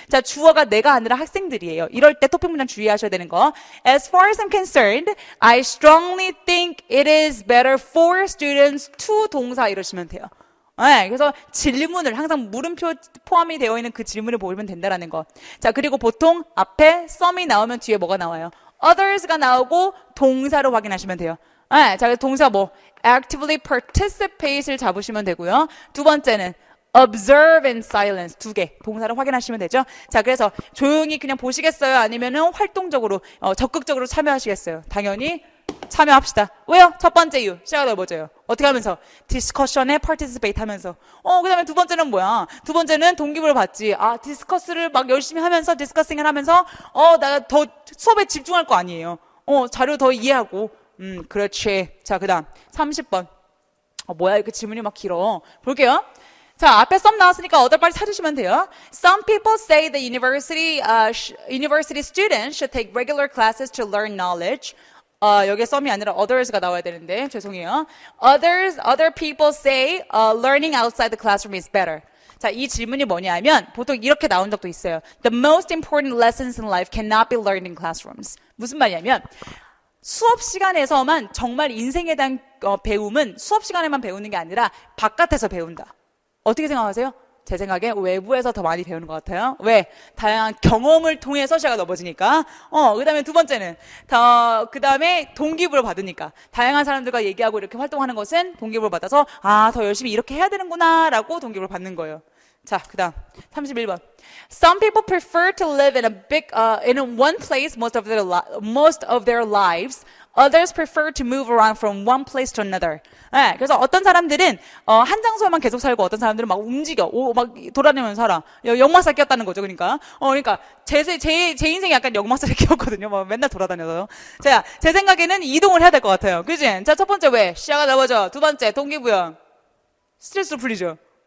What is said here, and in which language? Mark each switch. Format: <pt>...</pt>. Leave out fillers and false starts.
<ko>자, 주어가 내가 아니라 학생들이에요. 이럴 때 토픽 문장 주의하셔야 되는 거.</ko> <en>As far as I'm concerned, I strongly think it is better for students to</en> <ko>동사 이러시면 돼요. 네, 그래서 질문을 항상 물음표 포함이 되어 있는 그 질문을 보면 된다라는 거. 자, 그리고 보통 앞에 some이 나오면 뒤에 뭐가 나와요? Others가 나오고 동사로 확인하시면 돼요. 네, 자, 동사 뭐? actively participate을 잡으시면 되고요. 두 번째는</ko> <en>observe in silence</en> <ko>두 개. 동사를 확인하시면 되죠. 자, 그래서 조용히 그냥 보시겠어요? 아니면은 활동적으로, 적극적으로 참여하시겠어요? 당연히 참여합시다. 왜요? 첫 번째 이유. 시야가 넓어져요. 어떻게 하면서? 디스커션에 participate 하면서. 그다음에 두 번째는 뭐야? 두 번째는 동기부여를 받지. 아, 디스커스를 막 열심히 하면서, 디스커싱을 하면서, 나더 수업에 집중할 거 아니에요. 자료 더 이해하고. 그렇지. 자, 그다음 30번. 뭐야, 이렇게 질문이 막 길어. 볼게요. 자, 앞에 some 나왔으니까 other 빨리 찾으시면 돼요.</ko> <en>Some people say the university students should take regular classes to learn knowledge.</en> <ko>여기에 some이 아니라 others가 나와야 되는데 죄송해요.</ko> <en>Other people say learning outside the classroom is better.</en> <ko>자, 이 질문이 뭐냐면 보통 이렇게 나온 적도 있어요.</ko> <en>The most important lessons in life cannot be learned in classrooms.</en> <ko>무슨 말이냐면 수업 시간에서만 정말 인생에 대한 배움은 수업 시간에만 배우는 게 아니라 바깥에서 배운다. 어떻게 생각하세요? 제 생각에 외부에서 더 많이 배우는 것 같아요. 왜? 다양한 경험을 통해서 시야가 넓어지니까. 그다음에 두 번째는 그다음에 동기부여 받으니까 다양한 사람들과 얘기하고 이렇게 활동하는 것은 동기부여 받아서 아, 더 열심히 이렇게 해야 되는구나라고 동기부여 받는 거예요. 자, 그다음 31번.</ko> <en>Some people prefer to live in a big, in one place most of their lives. Others prefer to move around from one place to another.</en> <ko>네, 그래서 어떤 사람들은 한 장소에만 계속 살고 어떤 사람들은 막 움직여, 막 돌아다니면서 살아. 역마살 꼈다는 거죠, 그러니까. 그러니까 제 인생이 약간 역마살을 꼈거든요. 막 맨날 돌아다녀서. 자, 제 생각에는 이동을 해야 될것 같아요. 그지? 자, 첫 번째 왜? 시야가 넓어져. 두 번째 동기부여. 스트레스 풀리죠.</ko>